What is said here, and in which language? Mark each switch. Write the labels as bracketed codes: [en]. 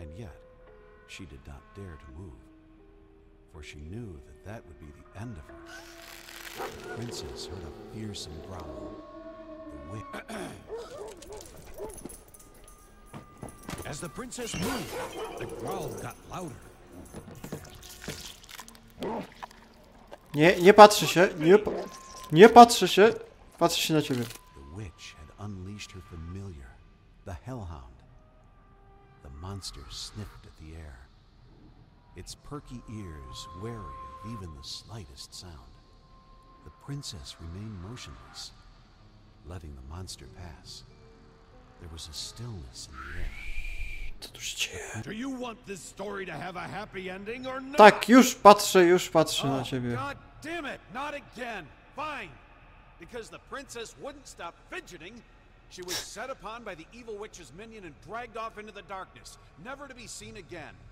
[en] And yet, she did not dare to move, for she knew that that would be the end of her. The princess heard a fearsome growl. The witch... As the princess moved, the growl got louder. [pl] Nie, nie patrzy się, nie, nie patrzy się. Patrzy się na ciebie. [en] The witch had unleashed her familiar, the hellhound. The monster sniffed at the air. Its perky ears wary of even the slightest sound. The princess remained motionless, letting the monster pass. There was a stillness in the air. Do you want this story to have a happy ending or not? [pl] Tak, już patrzę na ciebie. [en] God damn it, not again. Fine. Because the princess wouldn't stop fidgeting, she was set upon by the evil witch's minion and dragged off into the darkness, never to be seen again.